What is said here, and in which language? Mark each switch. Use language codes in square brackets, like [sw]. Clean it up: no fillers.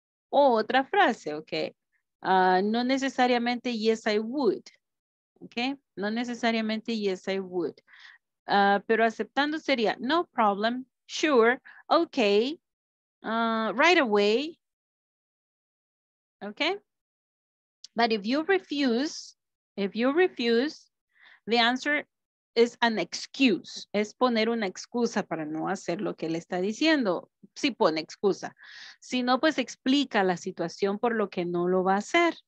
[es] O otra frase, ¿ok? No necesariamente [en] yes I would, [es] ¿ok? No necesariamente [en] yes I would. [es] Pero aceptando sería [en] no problem, sure, ok, right away, [es] ¿ok? [en] But if you refuse, the answer is an excuse. [es] Es poner una excusa para no hacer lo que le está diciendo. Si pone excusa. Si no, pues explica la situación por lo que no lo va a hacer.